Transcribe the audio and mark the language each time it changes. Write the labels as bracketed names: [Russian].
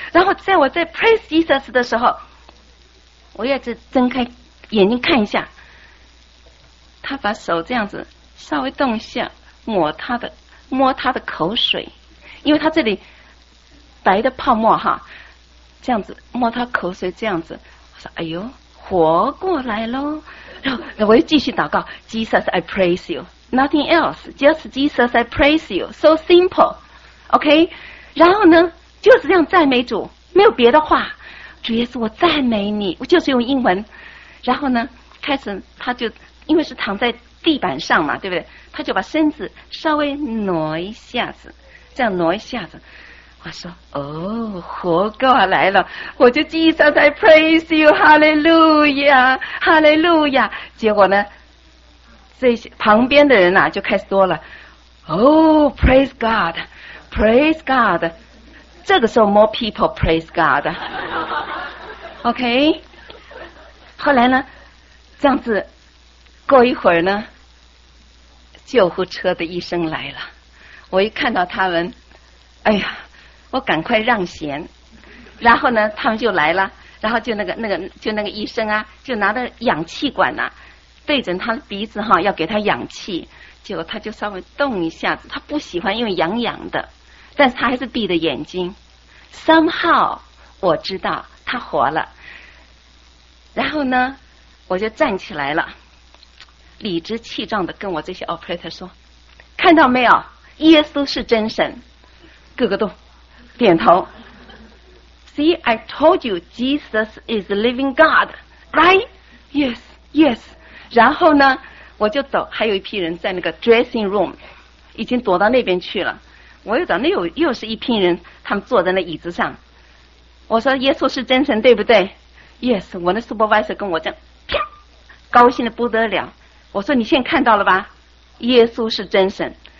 [Chinese] 然后在我在 praise Jesus 的时候，我也只睁开眼睛看一下，他把手这样子稍微动一下，摸他的口水，因为他这里白的泡沫哈，这样子摸他口水，这样子我说哎呦活过来咯。然后我又继续祷告 [English] Jesus I praise you， Nothing else， Just Jesus I praise you， So simple， OK。 [Chinese] 然后呢就是这样赞美主，没有别的话，主耶稣我赞美你，我就是用英文。然后呢开始他就因为是躺在地板上嘛，对不对，他就把身子稍微挪一下子，这样挪一下子，我说哦活过来了，我就 [English] Jesus I praise you， Hallelujah， Hallelujah。 [Chinese] 结果呢这些旁边的人啊就开始说了，哦 [English] praise God， praise God。 [Chinese] 这个时候 [English] more people praise God， OK。 [Chinese] 后来呢这样子过一会儿呢，救护车的医生来了，我一看到他们，哎呀我赶快让贤，然后呢他们就来了，然后就那个医生啊就拿着氧气管啊对准他的鼻子哈，要给他氧气，结果他就稍微动一下子，他不喜欢用痒痒的，但是他还是闭着眼睛， somehow 我知道他活了。然后呢我就站起来了，理直气壮的跟我这些 operator 说，看到没有，耶稣是真神，各个都点头。 [English] See I told you Jesus is living God， Right？ Yes， Yes。 [Chinese] 然后呢我就走，还有一批人在那个 dressing room 已经躲到那边去了，我又走，那又是一批人，他们坐在那椅子上，我说耶稣是真神对不对？ [English] Yes。 [Chinese] 我的 supervisor 跟我讲啪，高兴得不得了，我说你现在看到了吧，耶稣是真神。